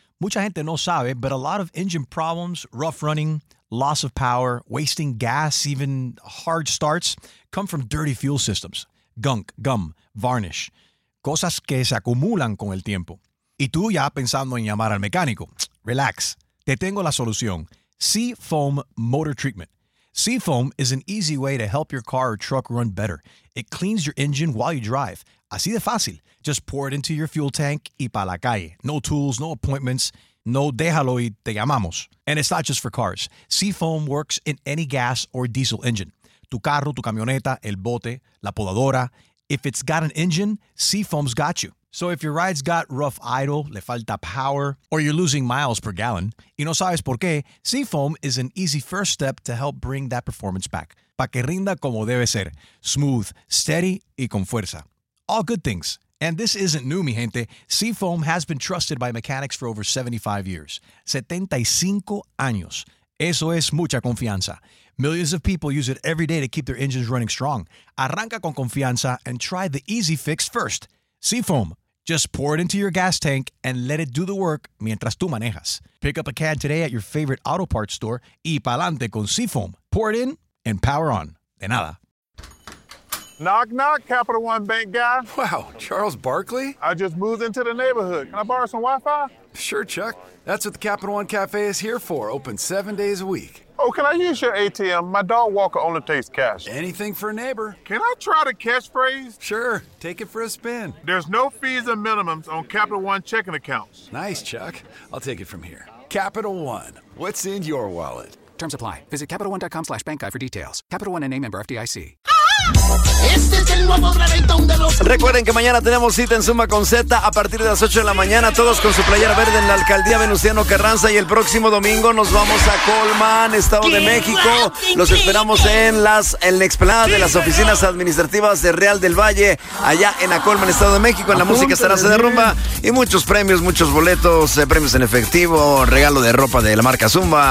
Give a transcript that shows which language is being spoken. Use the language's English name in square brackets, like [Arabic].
[Spanish] Mucha gente no sabe, [English] but a lot of engine problems, rough running, loss of power, wasting gas, even hard starts, come from dirty fuel systems. Gunk, gum, varnish. [Spanish] Cosas que se acumulan con el tiempo. Y tú ya pensando en llamar al mecánico. Relax. Te tengo la solución. Seafoam Motor Treatment. [English] Seafoam is an easy way to help your car or truck run better. It cleans your engine while you drive. [Spanish] Así de fácil. [English] Just pour it into your fuel tank [Spanish] y pa' la calle. [English] No tools, no appointments. [Spanish] No déjalo y te llamamos. [English] And it's not just for cars. Seafoam works in any gas or diesel engine. [Spanish] Tu carro, tu camioneta, el bote, la podadora. [English] If it's got an engine, Seafoam's got you. So if your ride's got rough idle, [Spanish] le falta [English] power, or you're losing miles per gallon, [Spanish] y no sabes por qué, [English] Seafoam is an easy first step to help bring that performance back. [Spanish] Pa' que rinda como debe ser. [English] Smooth, steady, [Spanish] y con fuerza. [English] All good things. And this isn't new, [Spanish] mi gente. [English] Seafoam has been trusted by mechanics for over 75 years. [Spanish] 75 años. Eso es mucha confianza. [English] Millions of people use it every day to keep their engines running strong. [Spanish] Arranca con confianza [English] and try the easy fix first. Seafoam. Just pour it into your gas tank and let it do the work [Spanish] mientras tú manejas. [English] Pick up a can today at your favorite auto parts store [Spanish] y pa'lante con [English] Seafoam. Pour it in and power on. [Spanish] De nada. [English] Knock, knock, Capital One Bank guy. Wow, Charles Barkley? I just moved into the neighborhood. Can I borrow some Wi-Fi? Sure, Chuck. That's what the Capital One Cafe is here for, open 7 days a week. Oh, can I use your ATM? My dog Walker only takes cash. Anything for a neighbor. Can I try the cash phrase? Sure, take it for a spin. There's no fees or minimums on Capital One checking accounts. Nice, Chuck. I'll take it from here. Capital One, what's in your wallet? Terms apply. Visit CapitalOne.com/bankguy for details. Capital One and a member FDIC. [Spanish] Este es el nuevo reventón de los... Recuerden que mañana tenemos cita en Suma con Z a partir de las 8 de la mañana, todos con su playera verde en la alcaldía Venustiano Carranza, y el próximo domingo nos vamos a Colman, Estado de México. Los esperamos en las explanada de las oficinas administrativas de Real del Valle, allá en Acolman, Estado de México. En la música estará Se Derrumba y muchos premios, muchos boletos, premios en efectivo, regalo de ropa de la marca Zumba.